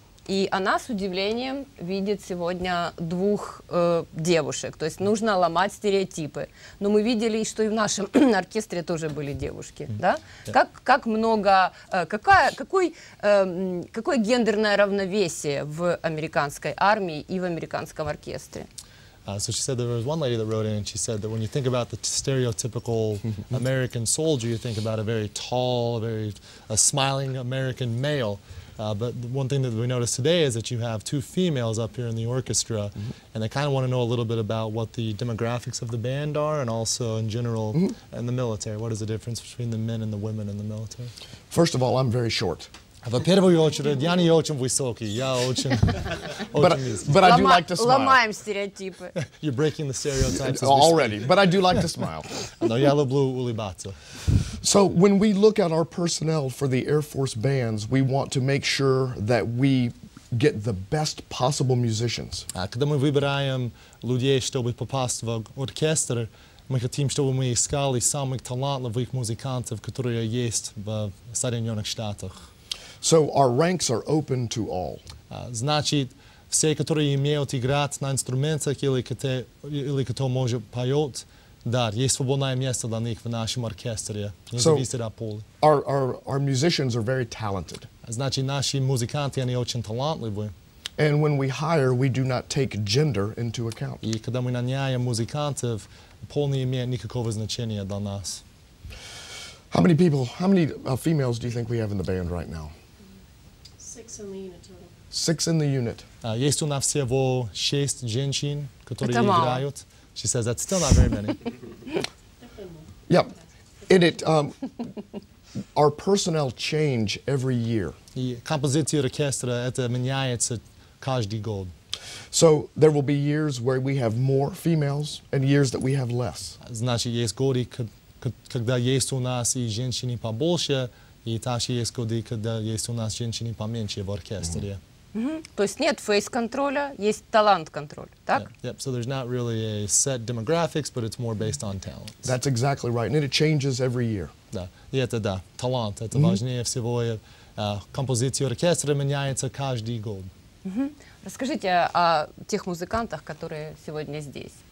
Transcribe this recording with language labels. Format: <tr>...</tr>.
<ru>И она с удивлением видит сегодня двух девушек. То есть нужно ломать стереотипы. Но мы видели, что и в нашем оркестре тоже были девушки. Mm-hmm. Да? Yeah. Как много... Какое гендерное равновесие в американской армии и в американском оркестре?</ru> <en>So she said there was one lady that wrote in, and she said that when you think about the stereotypical American soldier, you think about a very tall, a smiling American male. But one thing that we noticed today is that you have two females up here in the orchestra, and they kind of want to know a little bit about what the demographics of the band are, and also in general, in the military. What is the difference between the men and the women in the military? First of all, I'm very short.</en> <ru>По-первому, я не очень высокий, я очень низкий.</ru> <en>But I do like to smile.</en> <ru>Ломаем стереотипы.</ru> <en>You're breaking the stereotypes. Already, but I do like to smile.</en> <ru>Но я люблю улыбаться.</ru> <en>So when we look at our personnel for the Air Force bands, we want to make sure that we get the best possible musicians.</en> <ru>Когда мы выбираем людей, чтобы попасть в оркестр, мы хотим, чтобы мы искали самых талантливых музыкантов, которые есть в Соединенных Штатах.</ru> <en>So our ranks are open to all.</en> <ru>Значит, все, которые имеют играть на инструментах или кто может поет, да, есть свободное место для них в нашем оркестре, не зависит от пола.</ru> <en>Our musicians are very talented.</en> <ru>Значит, наши музыканты, они очень талантливы.</ru> <en>And when we hire, we do not take gender into account.</en> <ru>И когда мы наняем музыкантов, пол не имеет никакого значения для нас.</ru> <en>How many females do you think we have in the band right now? Six in the unit.</en> <ru>Есть у нас всего шесть женщин, которые играют.</ru> <en>She says that's still not very many. Yeah. And our personnel change every year.</en> <ru>И композиция оркестра это меняется каждый год.</ru> <en>So there will be years where we have more females and years that we have less.</en> <ru>Значит, есть годы, когда есть у нас и женщины побольше. И также есть годы, когда есть у нас женщины поменьше в оркестре. То есть нет фейс-контроля, есть талант-контроль, так?</ru> <en>Yep, so there's not really a set demographics, but it's more based on talent. That's exactly right, and it changes every year.</en> <ru>Да, и это да, талант, это важнее всего. Композиция оркестра меняется каждый год. Расскажите о тех музыкантах, которые сегодня здесь.</ru>